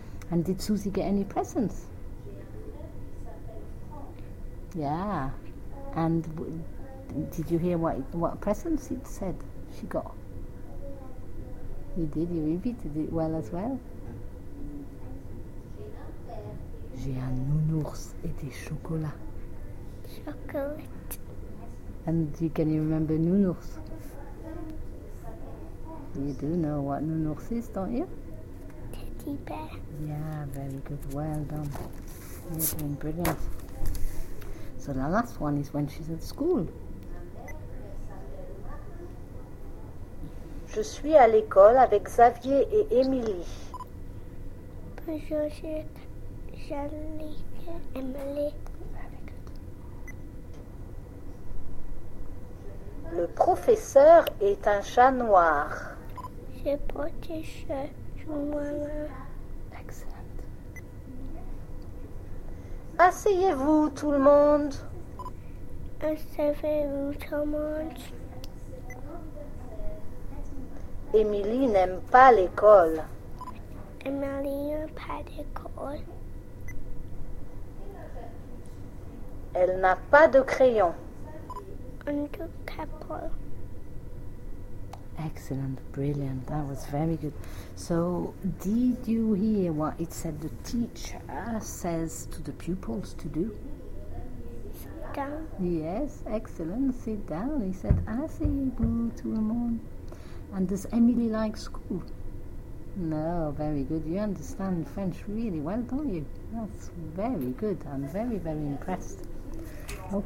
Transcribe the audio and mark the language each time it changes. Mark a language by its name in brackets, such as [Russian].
[English] And did Susie get any presents? Yeah. And did you hear what presents it said she got? You did? You repeated it well as well? [French] J'ai un nounours et des chocolats. [English] Chocolate. And can you remember nounours? You do know what nounours is, don't you? Teddy bear. Yeah, very good. Well done. You're doing brilliant. So the last one is when she's at school. [French] Je suis à l'école avec Xavier et Émilie. Bonjour, je suis à l'école avec Émilie. Le professeur est un chat noir. Je porte un chat noir. [English] Excellent. [French] Asseyez-vous, tout le monde. Asseyez-vous, tout le monde. Émilie n'aime pas l'école. Émilie n'aime pas l'école. Elle n'a pas de crayon. Un tout capot. [English] Excellent, brilliant, that was very good. So, did you hear what it said the teacher says to the pupils to do? Sit down. Yes, excellent, sit down. He said, [French] asseyez-vous, tout le monde. [English] And does Emily like school? No, very good. You understand French really well, don't you? That's very good. I'm very, very impressed. Okay.